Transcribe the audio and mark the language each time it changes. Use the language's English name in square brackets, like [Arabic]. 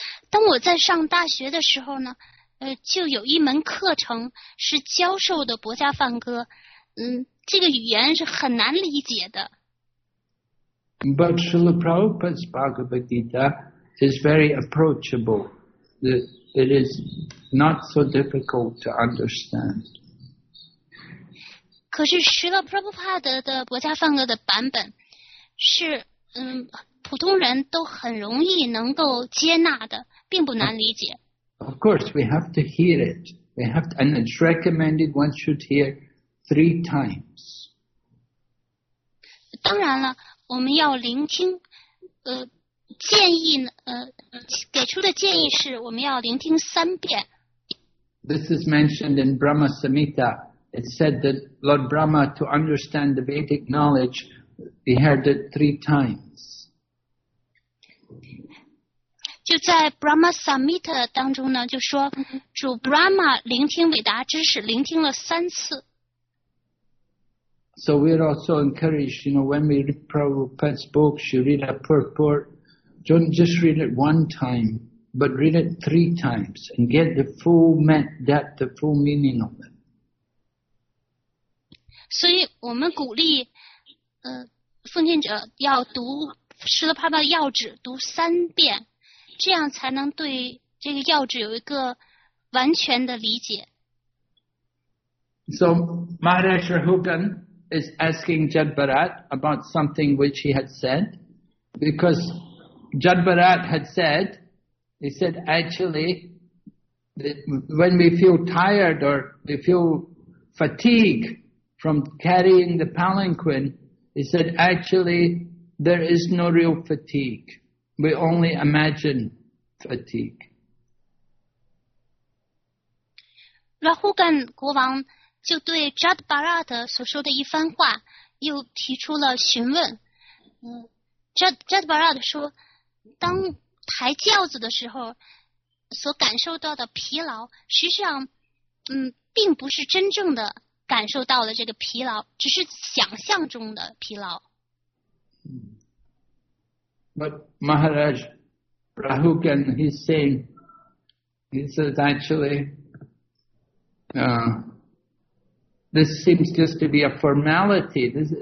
[Chinese] 当我在上大学的时候呢，就有一门课程是教授的薄伽梵歌，这个语言是很难理解的。 [English] But Srila Prabhupada's Bhagavad Gita is very approachable. It is not so difficult to understand. [Chinese] 可是 Srila Prabhupada 的薄伽梵歌的版本是普通人都很容易能够接纳的，并不难理解。 [English] Of course, we have to hear it. We have to, and it's recommended one should hear three times. [Chinese] 当然了，我们要聆听，建议给出的建议是我们要聆听三遍。 [English] This is mentioned in Brahma Samhita. It said that Lord Brahma, to understand the Vedic knowledge, he heard it three times. [Chinese] 就在 Brahma Samhita 当中呢，就说主 Brahma 聆听伟达知识，聆听了三次。 [English] So we're also encouraged, you know, when we read Prabhupada's books, you read a purport, don't just read it one time, but read it three times and get the full depth, the full meaning of it. [Chinese] 所以我们鼓励，奉献者要读释迦牟尼佛的要旨，读三遍。这样才能对这个要旨有一个完全的理解。 [English] So Maharaj Rahugan is asking Jad Bharat about something which he had said, because Jad Bharat had said, he said actually, when we feel tired or we feel fatigue from carrying the palanquin, He said, actually, there is no real fatigue. We only imagine fatigue. [Chinese] 拉胡干国王就对扎达巴拉特所说的一番话又提出了询问。扎达巴拉特说，当抬轿子的时候所感受到的疲劳，实际上并不是真正的感受到了这个疲劳，只是想象中的疲劳。 [English] But Maharaj Rahugan, he says actually, this seems just to be a formality.